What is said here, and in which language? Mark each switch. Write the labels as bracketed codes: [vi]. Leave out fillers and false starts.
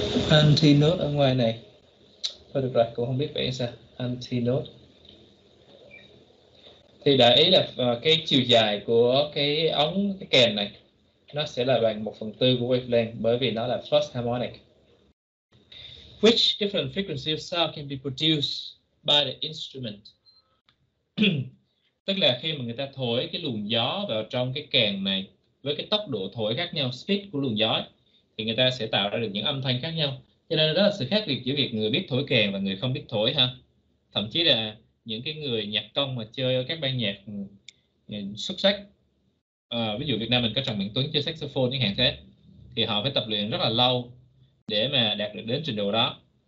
[vi] Antinode ở ngoài này. Thôi được rồi, cũng không biết vậy sao. Antinode. Thì đại ý là cái chiều dài của cái ống, cái kèn này, nó sẽ là bằng 1/4 của wavelength, bởi vì nó là first harmonic. [en] Which different frequency of sound can be produced by the instrument? [vi] Tức là khi mà người ta thổi cái luồng gió vào trong cái kèn này với cái tốc độ thổi khác nhau, speed của luồng gió ấy, thì người ta sẽ tạo ra được những âm thanh khác nhau. Cho nên đó là sự khác biệt giữa việc người biết thổi kèn và người không biết thổi ha. Thậm chí là những cái người nhạc công mà chơi ở các ban nhạc xuất sắc, ví dụ Việt Nam mình có Trần Mạnh Tuấn chơi saxophone những hạng thế, thì họ phải tập luyện rất là lâu để mà đạt được đến trình độ đó.